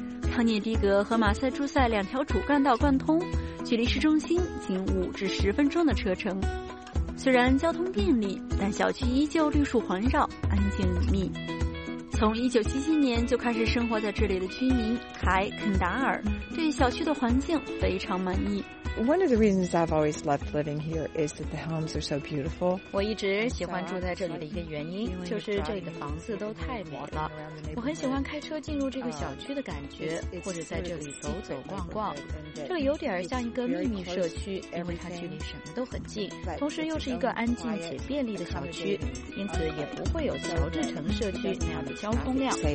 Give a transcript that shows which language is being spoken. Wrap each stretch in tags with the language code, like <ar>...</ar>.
<zh>康涅狄格和马赛诸塞两条主干道贯通，距离市中心仅5至10分钟的车程。虽然交通便利，但小区依旧绿树环绕，安静隐秘。从1977年就开始生活在这里的居民凯肯达尔对小区的环境非常满意。</zh> <en>One of the reasons I've always loved living here is that the homes are so beautiful.</en> <zh>我一直喜欢住在这里的一个原因就是这里的房子都太美了。我很喜欢开车进入这个小区的感觉，或者在这里走走逛逛。这里有点像一个秘密社区，因为它距离什么都很近，同时又是一个安静且便利的小区，因此也不会有乔治城社区那样的交通量。</zh>